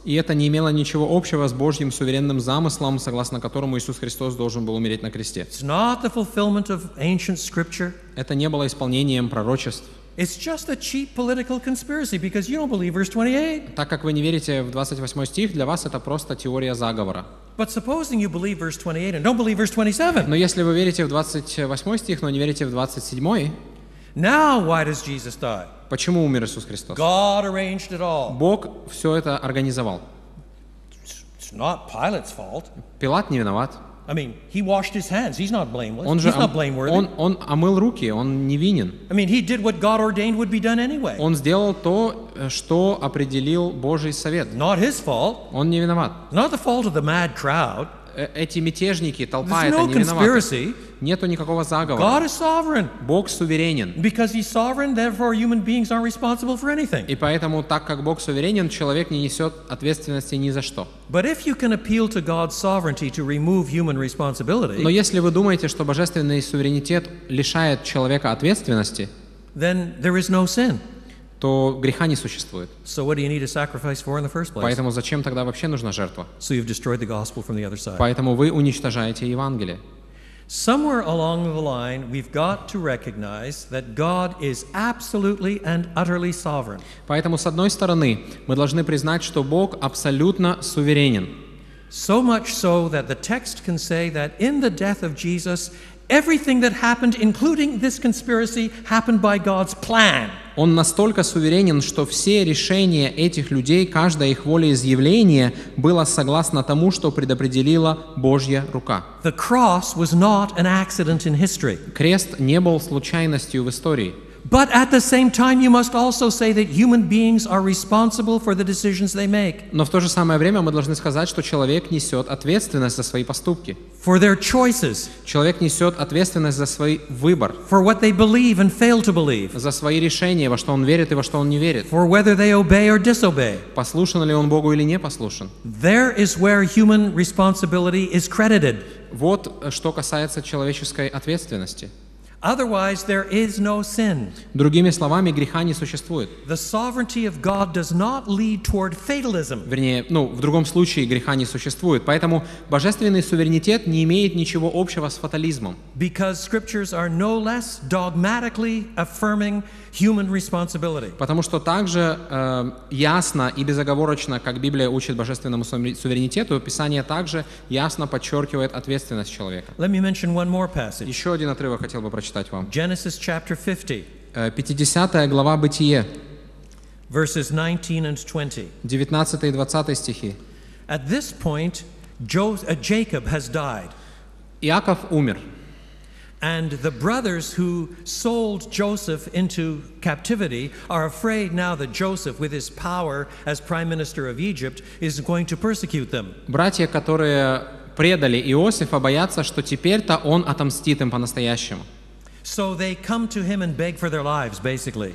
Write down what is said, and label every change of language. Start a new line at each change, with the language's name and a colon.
Russian: И это не имело ничего общего с Божьим суверенным замыслом, согласно которому Иисус Христос должен был умереть на кресте.
English: It's not the fulfillment of ancient scripture.
Russian: Это не было исполнением пророчеств.
English: It's just a cheap political conspiracy because you don't believe verse 28.
Russian: Так как вы не верите в 28 стих, для вас это просто теория заговора.
English: But supposing you believe verse 28 and don't believe verse 27.
Russian: Но если вы верите в 28 стих, но не верите в 27.
English: Now why does Jesus die?
Russian: Почему умер Иисус Христос?
English: God arranged it all.
Russian: Бог все это организовал.
English: It's not Pilate's fault.
Russian: Пилат не виноват.
English: I mean, he washed his hands. He's not blameless. He's not blameworthy.
Russian: Он омыл руки, он невинен.
English: I mean, he did what God ordained would be done anyway.
Russian: Он сделал то, что определил Божий совет.
English: Not his fault.
Russian: Он не виноват.
English: Not the fault of the mad crowd.
Russian: Эти мятежники, толпа,
English: There's
Russian: это
English: no
Russian: не
English: conspiracy.
Russian: Виноваты. Нету никакого заговора.
English: God is sovereign.
Russian: Бог суверенен.
English: Because he's sovereign, therefore human beings aren't responsible for anything.
Russian: И поэтому, так как Бог суверенен, человек не несет ответственности ни за что.
English: But if you can appeal to God's sovereignty to remove human responsibility,
Russian: но если вы думаете, что божественный суверенитет лишает человека ответственности,
English: then there is no sin.
Russian: То греха не существует.
English: So what do you need a sacrifice for in the first place?
Russian: Поэтому зачем тогда вообще нужна жертва?
English: So you've destroyed the gospel from the other side.
Russian: Поэтому вы уничтожаете Евангелие.
English: Somewhere along the line, we've got to recognize that God is absolutely and utterly sovereign.
Russian: Поэтому с одной стороны, мы должны признать, что Бог абсолютно суверенен.
English: So much so that the text can say that in the death of Jesus, everything that happened, including this conspiracy, happened by God's plan.
Russian: Он настолько суверенен, что все решения этих людей, каждое их волеизъявление, было согласно тому, что предопределила Божья рука.
English: The cross was not an accident in history.
Russian: Крест не был случайностью в истории.
English: But at the same time, you must also say that human beings are responsible for the decisions they make.
Russian: Но в то же самое время мы должны сказать, что человек несет ответственность за свои поступки.
English: For their choices.
Russian: Человек несет ответственность за свой выбор.
English: For what they believe and fail to believe.
Russian: За свои решения, во что он верит и во что он не верит.
English: For whether they obey or disobey.
Russian: Послушен ли он Богу или не послушен.
English: There is where human responsibility is credited.
Russian: Вот что касается человеческой ответственности.
English: Otherwise, there is no sin.
Russian: Другими словами, греха не существует.
English: The sovereignty of God does not lead toward fatalism.
Russian: Вернее, ну, в другом случае греха не существует. Поэтому божественный суверенитет не имеет ничего общего с фатализмом.
English: Because scriptures are no less dogmatically affirming human responsibility.
Russian: Потому что также ясно и безоговорочно, как Библия учит божественному суверенитету, Писание также ясно подчеркивает ответственность человека.
English: Let me mention one more passage.
Russian: Еще один отрывок хотел бы прочитать.
English: Genesis chapter 50.
Russian: 50 глава Бытие.
English: Verses 19 and 20.
Russian: 19 и 20 стихи.
English: At this point, Jacob has died.
Russian: Иаков умер.
English: And the brothers who sold Joseph into captivity are afraid now that Joseph, with his power as prime minister of Egypt, is going to persecute them.
Russian: Братья, которые предали Иосифа, боятся, что теперь-то он отомстит им по-настоящему.
English: So they come to him and beg for their lives, basically.